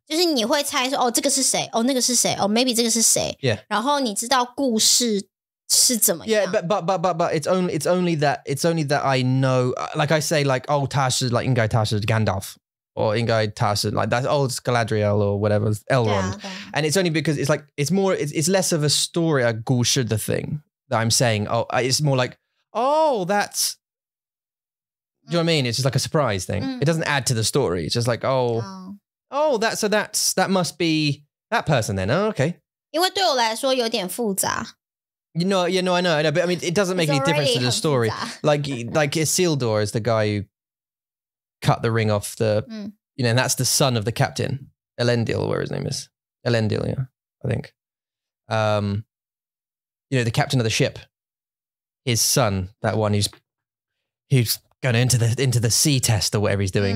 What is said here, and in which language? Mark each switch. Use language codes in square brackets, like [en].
[zh] 就是你会猜说哦这个是谁哦那个是谁哦 maybe 这个是谁 [en] Yeah. [zh] 然后你知道故事是怎么样? [en] Yeah, but it's only that I know, like I say, like, oh, [zh] 他是, [en] like, [zh] 应该他是 [en] Gandalf, or 应该他是, like, that's old Galadriel or whatever, Elrond. Yeah, okay. And it's only because it's like, it's less of a story, a 故事, the thing that I'm saying. Oh, it's more like, oh, that's, mm. Do you know what I mean? It's just like a surprise thing. Mm. It doesn't add to the story. It's just like, oh, oh, oh, that, so that's, that must be that person then. Oh, okay. [zh] 因为对我来说有点复杂。 [en] You know, yeah, no, I know, I know, but I mean, it doesn't make any difference to the story. Like Isildur is the guy who cut the ring off the, you know, and that's the son of the captain, Elendil, where his name is. Elendil, yeah, I think. You know, the captain of the ship, his son, that one who's going into the sea test or whatever he's doing.